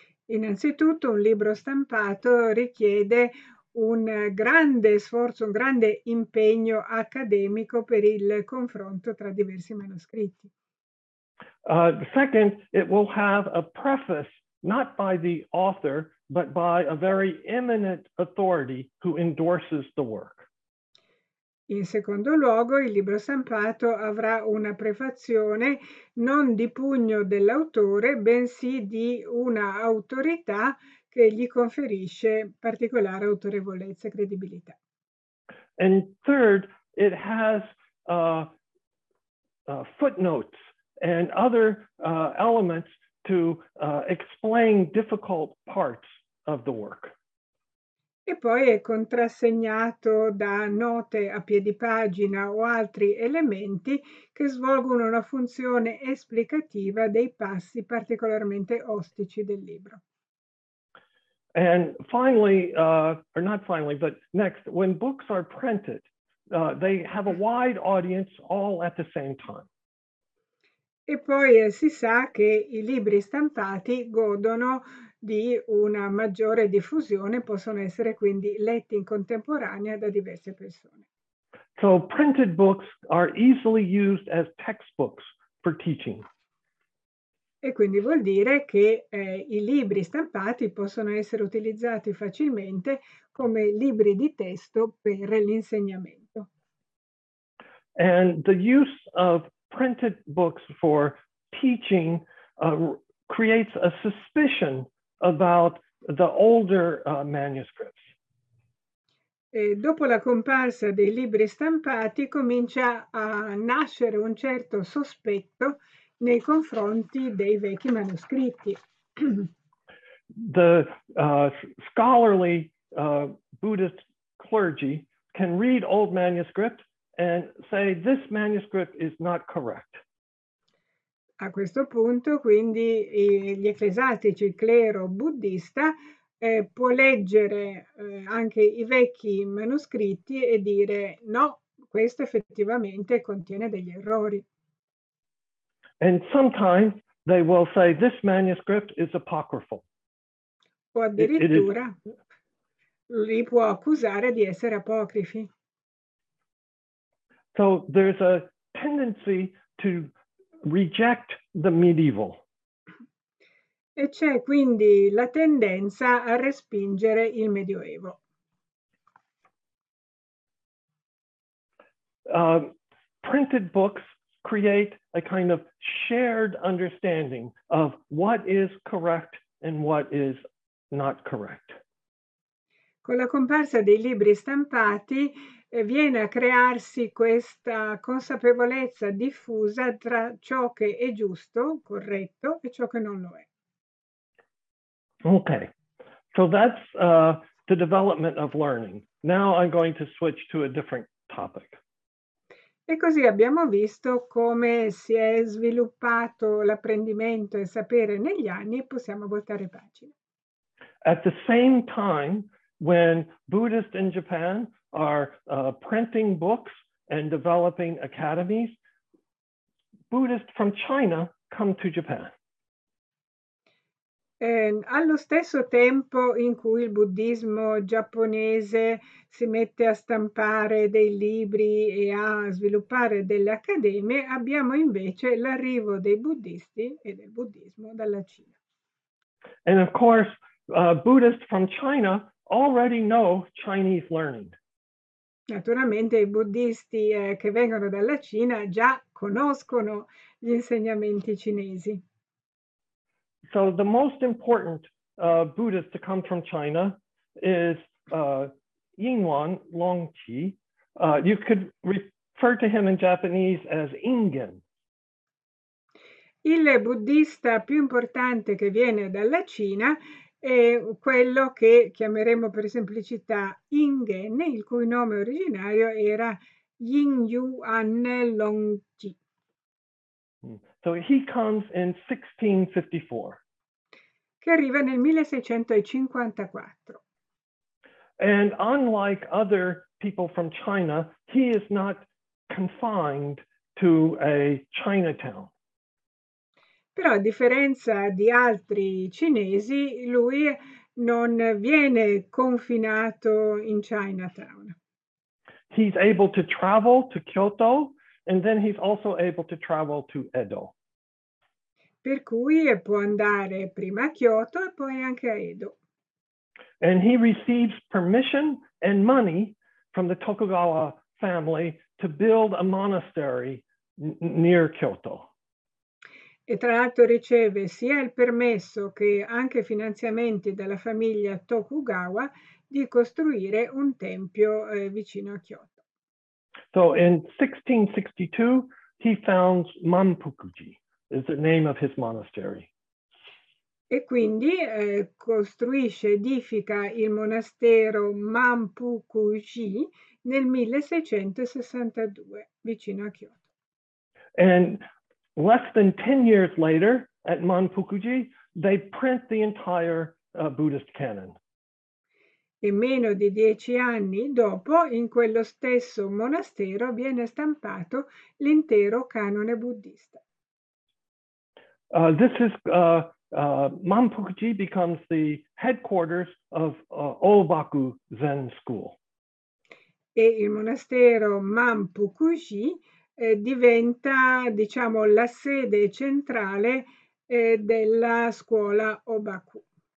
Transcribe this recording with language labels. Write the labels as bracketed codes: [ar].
[it] Innanzitutto, un libro stampato richiede un grande sforzo, un grande impegno accademico per il confronto tra diversi manoscritti. [en] Second, it will have a preface not by the author, but by a very eminent authority who endorses the work. [it] In secondo luogo, il libro stampato avrà una prefazione non di pugno dell'autore, bensì di una autorità che gli conferisce particolare autorevolezza e credibilità. [en] And third, it has footnotes and other elements to explain difficult parts of the work. [it] E poi è contrassegnato da note a piedi pagina o altri elementi che svolgono una funzione esplicativa dei passi particolarmente ostici del libro. [en] And finally, or not finally, but next, when books are printed, they have a wide audience all at the same time. [it] E poi si sa che i libri stampati godono di una maggiore diffusione, possono essere quindi letti in contemporanea da diverse persone. [en] So printed books are easily used as textbooks for teaching. [it] E quindi vuol dire che i libri stampati possono essere utilizzati facilmente come libri di testo per l'insegnamento. [en] And the use of printed books for teaching creates a suspicion about the older manuscripts. [it] E dopo la comparsa dei libri stampati comincia a nascere un certo sospetto nei confronti dei vecchi manoscritti. [en] The scholarly Buddhist clergy can read old manuscripts and say this manuscript is not correct. [it] A questo punto, quindi, gli ecclesiastici, il clero buddista, può leggere anche i vecchi manoscritti e dire no, questo effettivamente contiene degli errori. [en] And sometimes they will say this manuscript is apocryphal. [it] O addirittura li può accusare di essere apocrifi. [en] So there's a tendency to reject the medieval. [it] E c'è quindi la tendenza a respingere il Medioevo. [en] Printed books create a kind of shared understanding of what is correct and what is not correct. [it] Con la comparsa dei libri stampati viene a crearsi questa consapevolezza diffusa tra ciò che è giusto, corretto, e ciò che non lo è. [en] Okay, so that's the development of learning. Now I'm going to switch to a different topic. [it] E così abbiamo visto come si è sviluppato l'apprendimento e sapere negli anni e possiamo voltare pagina. [en] At the same time, when Buddhists in Japan are printing books and developing academies, Buddhists from China come to Japan. [it] Allo stesso tempo in cui il buddismo giapponese si mette a stampare dei libri e a sviluppare delle accademie, abbiamo invece l'arrivo dei buddhisti e del buddismo dalla Cina. [en] And of course, Buddhists from China already know Chinese learning. [it] Naturalmente i buddhisti che vengono dalla Cina già conoscono gli insegnamenti cinesi. [en] So the most important Buddhist to come from China is Yingwan Longqi. You could refer to him in Japanese as Ingen. [it] Il buddista più importante che viene dalla Cina è quello che chiameremo per semplicità Ingen, il cui nome originario era Yingyuan Longqi. [en] So he comes in 1654. [it] Che arriva nel 1654. [en] And unlike other people from China, he is not confined to a Chinatown. [it] Però a differenza di altri cinesi, lui non viene confinato in Chinatown. [en] He's able to travel to Kyoto, and then he's also able to travel to Edo. [it] Per cui può andare prima a Kyoto e poi anche a Edo. [en] And he receives permission and money from the Tokugawa family to build a monastery near Kyoto. [it] E tra l'altro riceve sia il permesso che anche finanziamenti dalla famiglia Tokugawa di costruire un tempio vicino a Kyoto. [en] So in 1662 he founds Manpukuji, is the name of his monastery. [it] E quindi costruisce, edifica il monastero Manpukuji nel 1662, vicino a Kyoto. [en] And less than 10 years later, at Manpukuji, they print the entire Buddhist canon. [it] E meno di 10 anni dopo, in quello stesso monastero, viene stampato l'intero canone buddista. [en] Manpukuji becomes the headquarters of Obaku Zen School. [it] E il monastero Manpukuji diventa, diciamo, la sede centrale della scuola Obaku.